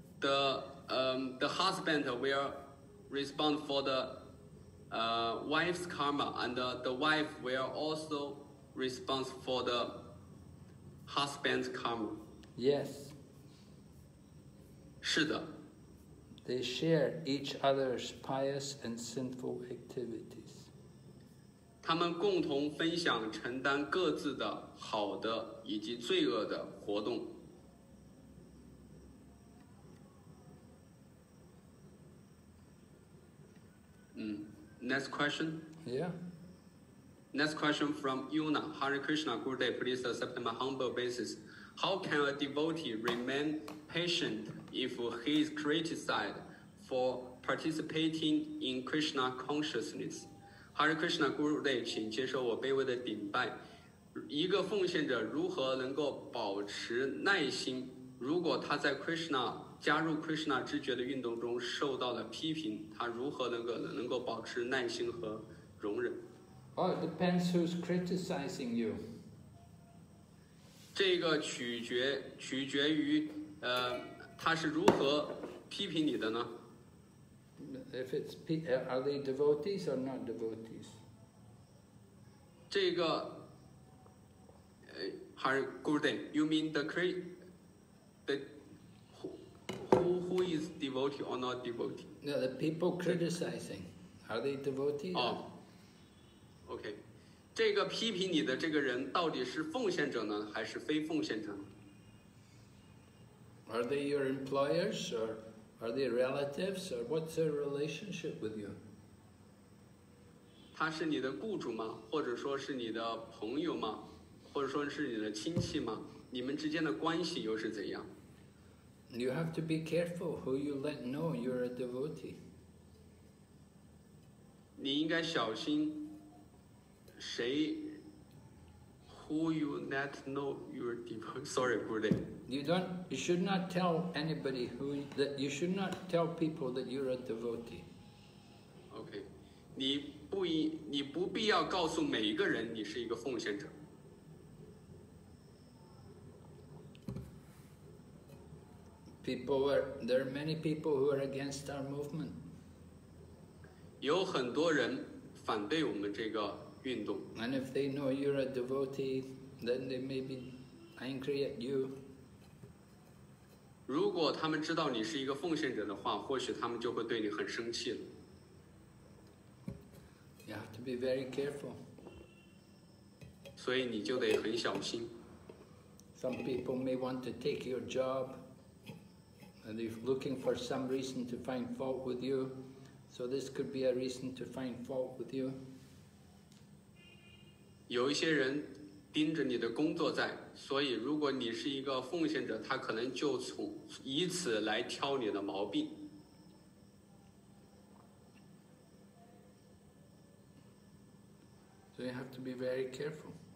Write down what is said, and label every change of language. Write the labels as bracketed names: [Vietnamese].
[English] The husband will respond for the wife's karma, and the wife will also respond for the husband's karma. Yes. [Chinese] 是的。 [English] They share each other's pious and sinful activities. [Chinese] 他们共同分享承担各自的好的以及罪恶的活动。 [English] Next question. Yeah. Next question from Yuna. Hare Krishna, good day. Please accept my humble basis. How can a devotee remain patient if he is criticized for participating in Krishna consciousness? [Chinese] Hare Krishna Guru Day, 请接受我卑微的顶拜。一个奉献者如何能够保持耐心？如果他在 Krishna 加入 Krishna 知觉的运动中受到了批评，他如何能够保持耐心和容忍？ [English] Well, it depends who's criticizing you. [Chinese] 这个取决于他是如何批评你的呢？ [English] If it's are they devotees or not devotees? [Chinese] 这个， [English] Hare Gurudev, you mean who is devotee or not devotee? No, the people criticizing, are they devotees? Oh, okay. [Chinese] 这个批评你的这个人到底是奉献者呢，还是非奉献者？ [English] Are they your employers or? Are they relatives, or what's their relationship with you? [Chinese] 他是你的雇主吗？或者说是你的朋友吗？或者说是你的亲戚吗？你们之间的关系又是怎样？ [English] You have to be careful who you let know you're a devotee. [Chinese] 你应该小心谁 [English] who you let know you're a devotee. Sorry, Gurudev. You should not tell anybody who, that you should not tell people that you're a devotee. Okay. [Chinese] 你不必要告诉每一个人你是一个奉献者。 [English] There are many people who are against our movement. [Chinese] 有很多人反对我们这个运动。 [English] And if they know you're a devotee, then they may be angry at you. [Chinese] 如果他们知道你是一个奉献者的话，或许他们就会对你很生气了。 [English] You have to be very careful. [Chinese] 所以你就得很小心。 [English] Some people may want to take your job. And they're looking for some reason to find fault with you. So this could be a reason to find fault with you. [Chinese] 有一些人盯着你的工作在，所以如果你是一个奉献者，他可能就从以此来挑你的毛病。 [English] So you have to be very careful.